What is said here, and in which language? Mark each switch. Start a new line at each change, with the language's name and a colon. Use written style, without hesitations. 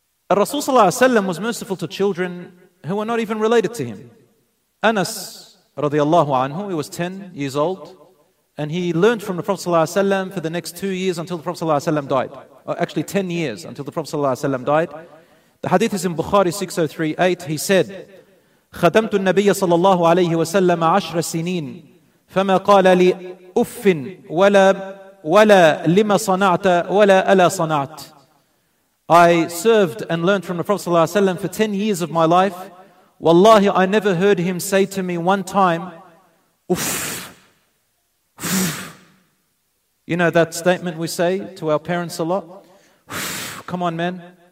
English: Rasul sallallahu alayhi wa sallam was merciful to children who were not even related to him. Anas radiallahu anhu, he was 10 years old, and he learned from the Prophet sallallahu alaihi wasallam for the next 2 years until the Prophet sallallahu alaihi wasallam died. Actually 10 years until the Prophet sallallahu alaihi wasallam died. The hadith is in Bukhari 6038. He said,
Arabic: خدمت النبي صلى الله عليه وسلم 10 سنين فما قال لي أف ولا لما صنعت ولا ألا صنعت.
English: I served and learned from the Prophet sallallahu alaihi wasallam for 10 years of my life. Wallahi, I never heard him say to me one time, uff. You know that statement we say to our parents a lot? Come on, man.